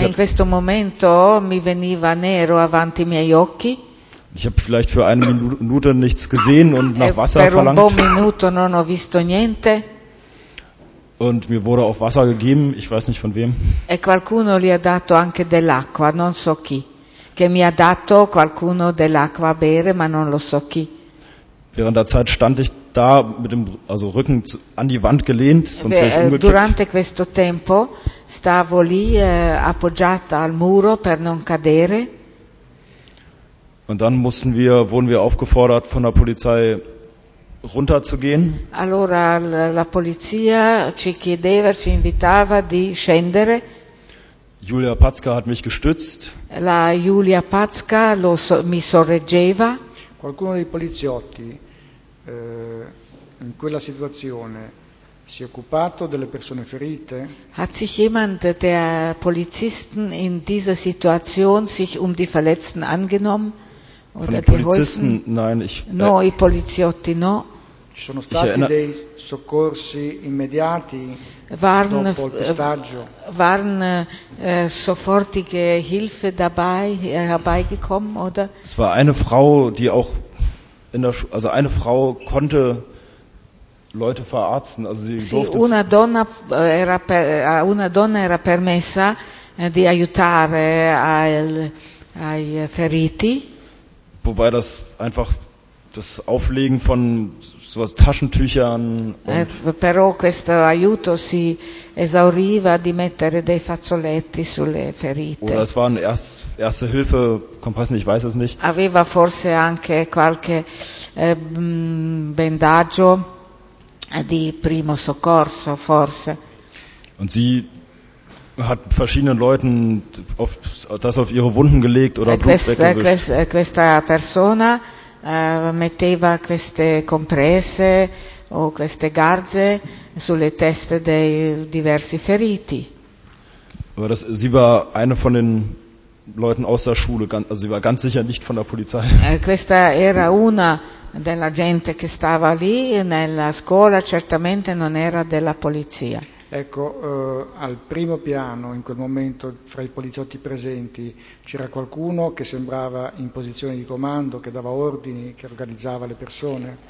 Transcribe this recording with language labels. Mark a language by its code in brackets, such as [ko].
[it] in questo momento mi veniva nero avanti ai miei occhi. [de] Ich habe vielleicht für eine Minute nichts gesehen und nach Wasser verlangt. [it] Per un buon minuto non ho visto niente. [de] Und mir wurde auch Wasser gegeben, ich weiß nicht von wem. [it] E qualcuno gli ha dato anche dell'acqua, non so chi. Che mi ha dato qualcuno dell'acqua a bere, ma non lo so chi. [de] Während der Zeit stand ich da mit dem also Rücken zu, an die Wand gelehnt, sonst wäre ich umgekippt. [it] Durante questo tempo stavo lì appoggiata al muro per non cadere. [de] Und dann mussten wir, wurden wir aufgefordert von der Polizei runterzugehen. [it] Allora la polizia ci chiedeva, ci invitava di scendere. [de] Julia Pazka hat mich gestützt. [it] La Julia Pazka lo so, mi sorreggeva. Qualcuno dei poliziotti in quella situazione si è occupato delle persone ferite? [de] Hat sich jemand der Polizisten in dieser Situation sich um die Verletzten angenommen? Von den Polizisten? Nein, ich. [it] No, i poliziotti no. Ci sono stati dei soccorsi immediati dopo il pestaggio? [de] Waren sofortige Hilfe dabei herbeigekommen oder? Es war eine Frau, die auch in der, also eine Frau konnte Leute verarzten, also sie durfte. [it] Sì, una donna era permessa di aiutare ai feriti. [de] Wobei das einfach das Auflegen von sowas Taschentüchern und [it] però questo aiuto si esauriva di mettere dei fazzoletti sulle ferite. [de] Oder es waren erste Hilfe Kompressen, ich weiß es nicht. [it] Aveva forse anche qualche bendaggio di primo soccorso forse. [de] Und sie hat verschiedenen Leuten das auf ihre Wunden gelegt oder Blut weggewischt. [it] Questa persona metteva queste compresse o queste garze sulle teste dei diversi feriti. [de] Aber das, sie war eine von den Leuten aus der Schule, also sie war ganz sicher nicht von der Polizei. [it] Questa era una della gente che stava lì nella scuola, certamente non era della polizia. Ecco, al primo piano in quel momento fra i poliziotti presenti c'era qualcuno che sembrava in posizione di comando, che dava ordini, che organizzava le persone.